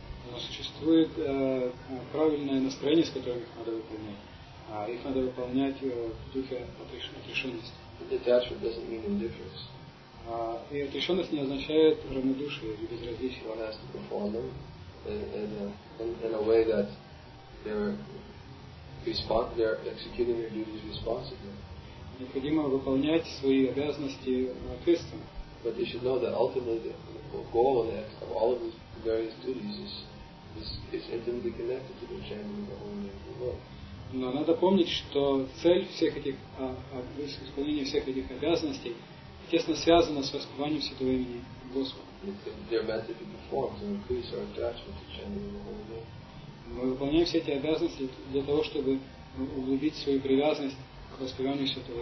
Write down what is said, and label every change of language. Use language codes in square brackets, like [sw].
[ru] Но существует правильное настроение, с которым их надо выполнять. А их надо выполнять в духе отрешенности. И отрешенность не означает равнодушие или безразличие. [en] One has to perform them in a way that they're executing their duties responsibly. [ru] Необходимо выполнять свои обязанности ответственно. [en] But they should know that ultimately the goal of all of these various duties is intimately connected to the chanting of the Holy Name of the Lord. [ru] Но надо помнить, что цель всех этих исполнения всех этих обязанностей тесно связано с воспеванием Святого Имени Господа. Мы выполняем все эти обязанности для того, чтобы углубить свою привязанность к воспеванию Святого